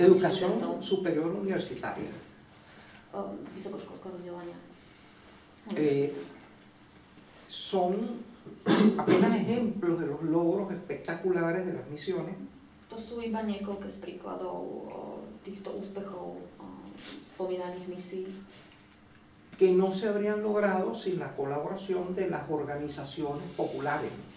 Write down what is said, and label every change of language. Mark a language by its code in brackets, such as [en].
[es] Educación superior universitaria. [sk] Vysokoškolského vzdelania. [es] Son apenas ejemplos de los logros espectaculares de las misiones. [sk] To sú iba niekoľko z príkladov týchto úspechov spomínaných misií. [es] Que no se habrían logrado sin la colaboración de las organizaciones populares.